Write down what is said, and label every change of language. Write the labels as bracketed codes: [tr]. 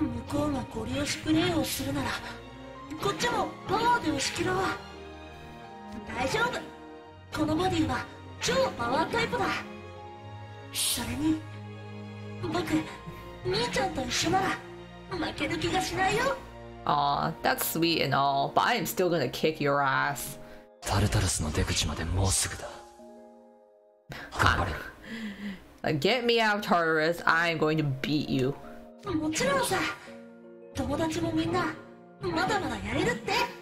[ja] 向こうがゴリ押しプレイをするならこっちもパワーで押し切ろう。大丈夫、このボディは超パワータイプだ。それに僕、兄ちゃんと一緒なら負ける気がしないよ。 [en] Aw, that's sweet and all, but I'm still gonna kick your ass. [ja] タルタルスの出口までもうすぐだ。頑張れ。 [en] Get me out, Tartarus. I am going to beat you. [ja] もちろんさ、友達もみんなまだまだやれるって。